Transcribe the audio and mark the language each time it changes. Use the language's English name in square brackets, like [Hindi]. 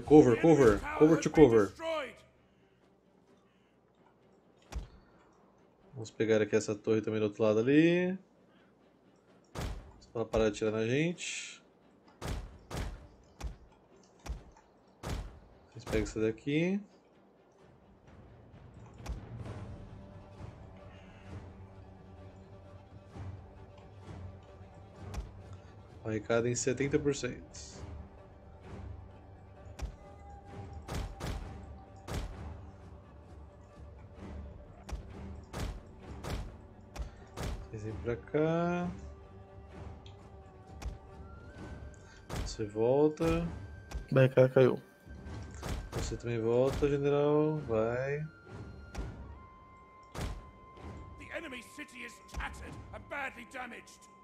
[English] Cover, cover, cover to cover. [Portuguese] Vamos pegar aqui essa torre também do outro lado ali. Só pra parar de atirar na gente. A gente pega essa daqui. Barricada em 70%. Pra cá, você volta. Bem, cara, caiu. Você também volta, general. Vai. [English] The enemy city is tattered and badly damaged.